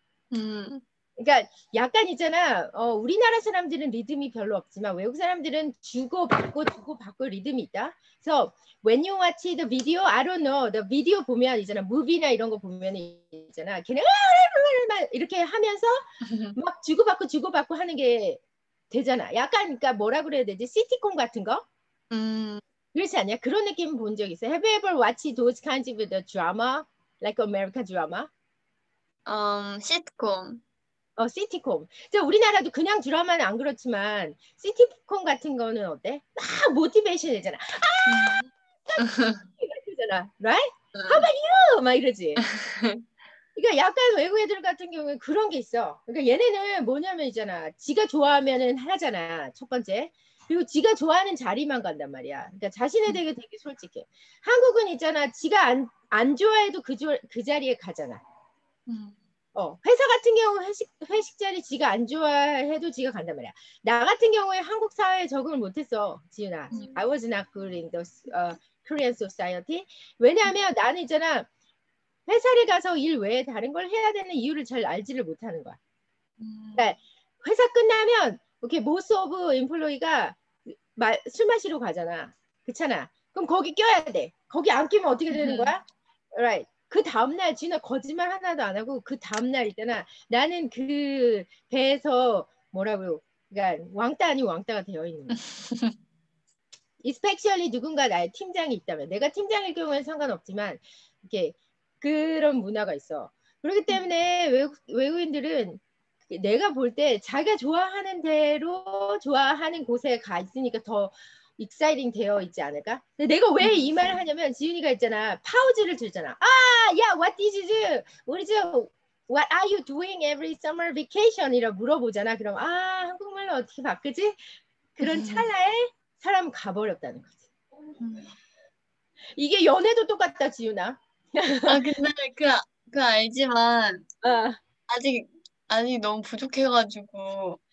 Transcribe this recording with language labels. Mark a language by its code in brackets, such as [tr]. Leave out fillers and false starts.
[ko] 그러니까 약간 있잖아, 우리나라 사람들은 리듬이 별로 없지만 외국 사람들은 주고받고 주고받고 리듬이 있다. [en] So when you watch the video, [ko] I don't know, the video 보면 있잖아, 무비나 이런 거 보면 있잖아, 걔네가 이렇게 하면서 막 주고받고 주고받고 하는 게 되잖아. 약간 그러니까 뭐라 그래야 되지? 시티콤 같은 거? 그렇지 않냐? 그런 느낌 본 적 있어? [en] Have you ever watched those kinds of the drama? Like American drama? Sitcom. [ko] 시티콤. 저 우리나라도 그냥 드라마는 안 그렇지만 시티콤 같은 거는 어때? 막 모티베이션 되잖아. 이러잖아. [en] Right? How about you? [ko] 막 이러지. 그러니까 약간 외국 애들 같은 경우에 그런 게 있어. 그러니까 얘네는 뭐냐면 있잖아, 지가 좋아하면은 하잖아. 첫 번째. 그리고 지가 좋아하는 자리만 간단 말이야. 그러니까 자신에 대해 되게 솔직해. 한국은 있잖아, 지가 안 좋아해도 그 자리에 가잖아. 회사 같은 경우 회식 자리 지가 안 좋아해도 지가 간단 말이야. 나 같은 경우에 한국 사회에 적응을 못했어, 지윤아. [en] I was not good in the Korean society. [ko] 왜냐하면 나는 있잖아, 회사를 가서 일 외에 다른 걸 해야 되는 이유를 잘 알지를 못하는 거야. 그러니까 회사 끝나면 이렇게 [en] most of employee [ko] 가 술 마시러 가잖아. 그렇잖아. 그럼 거기 껴야 돼. 거기 안 끼면 어떻게 되는 거야? [en] Right. [ko] 그 다음날 진아 거짓말 하나도 안 하고 그 다음날 있잖아, 나는 그 배에서 뭐라고요? 그러니까 왕따 아니 왕따가 되어 있는 거야. Especially 누군가 나의 팀장이 있다면, 내가 팀장일 경우에는 상관없지만 이렇게 그런 문화가 있어. 그렇기 때문에 외국인들은 내가 볼 때 자기가 좋아하는 대로 좋아하는 곳에 가 있으니까 더 익사이팅 되어 있지 않을까? 내가 왜 이 말을 하냐면, 지윤이가 있잖아, 파우즈를 들잖아. [en] 아, 야, what did you do? What is your, what are you doing every summer vacation? [ko] 이라 물어보잖아. 그럼 아, 한국말로 어떻게 바꾸지? 그런 찰나에 사람 가버렸다는 거지. 이게 연애도 똑같다, 지윤아. 아, 근데 그 알지만 아직 너무 부족해가지고.